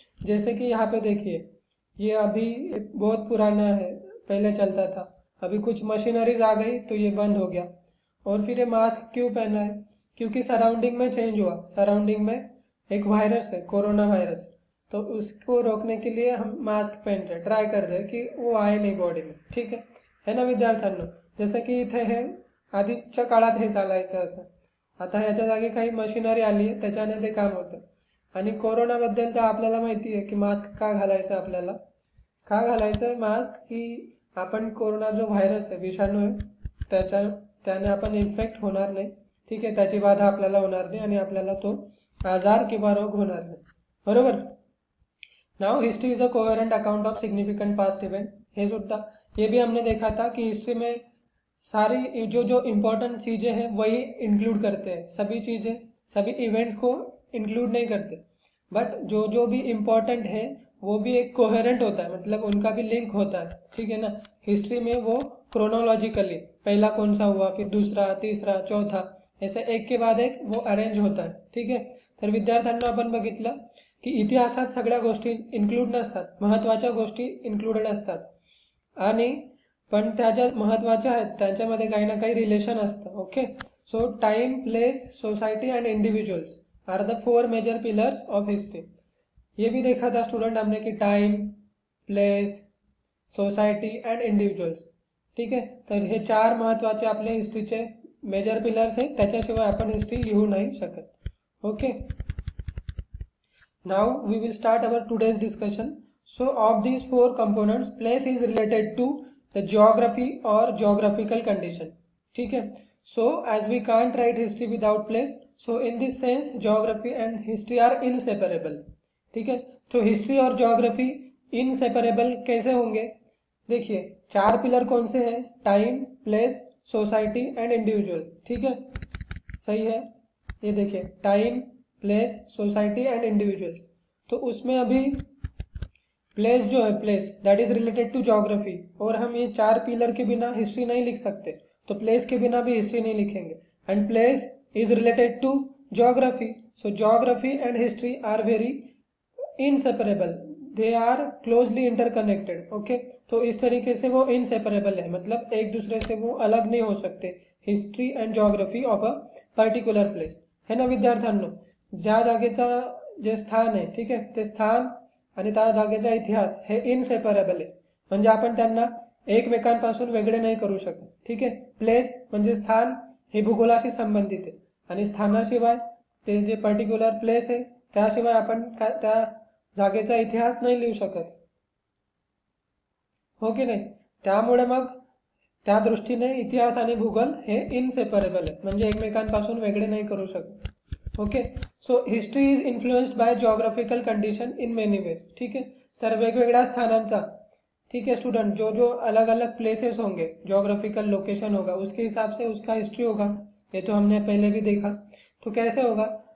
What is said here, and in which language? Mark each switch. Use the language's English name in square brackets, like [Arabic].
[Hindi] जैसे कि यहाँ पे देखिए, ये अभी बहुत पुराना है, पहले चलता था, अभी कुछ मशीनरीज आ गई तो ये बंद हो गया. और फिर ये मास्क क्यों पहना है, क्योंकि सराउंडिंग में चेंज हुआ, सराउंडिंग में एक वायरस है, कोरोना वायरस, तो उसको रोकने के लिए हम मास्क पहन रहे, ट्राई कर रहे कि वो आए नहीं बॉडी में, ठीक है, है ना विद्यार्थ्यांनो. [Marathi] जैसे कि इथे है आधीच्या काळात हे चालायचं असं, आता याच्या जागी काही मशीनरी आली आहे त्याच्याने ते काम होतं. आणि कोरोनाबद्दल तर आपल्याला माहिती आहे की मास्क का घालायचं, आपल्याला का घालायचं आहे मास्क, की आपण कोरोना जो व्हायरस आहे, विषाणू आहे, त्याने आपण इन्फेक्ट होणार नाही, ठीक आहे, त्याची बाधा आपल्याला होणार नाही आणि आपल्याला तो आजार किंवा रोग होणार नाही, बरोबर. [English] नाव history is a coherent account of significant past event, [Marathi] हे सुद्धा, [Hindi] हे भी हमने देखा था की हिस्ट्री में सारी जो जो इम्पोर्टेंट चीज़ें हैं वही इंक्लूड करते हैं, सभी चीज़ें, सभी इवेंट्स को इंक्लूड नहीं करते, बट जो जो भी इम्पोर्टेंट है वो भी एक कोहेरेंट होता है, मतलब उनका भी लिंक होता है, ठीक है ना. हिस्ट्री में वो क्रोनोलॉजिकली पहला कौन सा हुआ, फिर दूसरा, तीसरा, चौथा, ऐसे एक के बाद एक वो अरेंज होता है, ठीक है. [Marathi] तर विद्यार्थ्यांना आपण बघितलं की इतिहासात सगळ्या गोष्टी इन्क्लूड नसतात, महत्त्वाच्या गोष्टी इन्क्लूडेड असतात, आणि पण त्या ज्या महत्त्वाच्या आहेत त्यांच्यामध्ये काही ना काही रिलेशन असतं, okay. [English] So time, place, society and individuals are the four major pillars of history. [Hindi] हे भी देखा था स्टूडेंट हमने की time, place, society and individuals, [Marathi] ठीक आहे. तर हे चार महत्त्वाचे आपले हिस्ट्रीचे मेजर पिलर्स आहेत, त्याच्याशिवाय आपण हिस्ट्री लिहू नाही शकत, okay. [English] Now we will start our today's discussion. So of these four components, place is related to the geography और geographical condition, [Hindi] ठीक है. [English] so as we can't write history without place, so in this sense geography and history are inseparable, [Hindi] ठीक है. तो history और geography inseparable कैसे होंगे, देखिए चार पिलर कौन से हैं, time, place, society and individual, ठीक है, सही है. ये देखिए time, place, society and individual, तो उसमें अभी प्लेस जो है, [English] place that is related to geography, [Hindi] और हम ये चार पिलर के बिना हिस्ट्री नहीं लिख सकते, तो प्लेस के बिना भी हिस्ट्री नहीं लिखेंगे. [English] And place is related to geography, so geography and history are very inseparable, they are closely interconnected, okay. [Hindi] तो इस तरीके से वो इनसेपरेबल है, मतलब एक दूसरे से वो अलग नहीं हो सकते, history and geography of a particular place, है ना विद्यार्थ्यांनो. [Marathi] ज्या जागेचा जे स्थान [Hindi] है, ठीक है, [Marathi] ते स्थान आणि त्या जागेचा इतिहास हे इनसेपरेबल आहे, म्हणजे आपण त्यांना एकमेकांपासून वेगळे नाही करू शकत, ठीक आहे. प्लेस म्हणजे स्थान, हे भूगोलाशी संबंधित आहे आणि स्थानाशिवाय ते जे पर्टिक्युलर प्लेस आहे त्याशिवाय आपण त्या जागेचा इतिहास नाही लिहू शकत, हो की नाही? त्यामुळे मग त्या दृष्टीने इतिहास आणि भूगोल हे इनसेपरेबल आहे, म्हणजे एकमेकांपासून वेगळे नाही करू शकत. [English] Okay, so history is influenced by geographical condition in many ways. [Marathi] ठीक आहे, तर वेगवेगळ्या स्थानांचा, ठीक आहे [Hindi] स्टूडेंट, जो जो अलग अलग प्लेसेस होंगे, ज्योग्राफिकल लोकेशन होगा, उसके हिसाब से उसका हिस्ट्री होगा. ये तो हमने पहले भी देखा. तो कैसे होगा?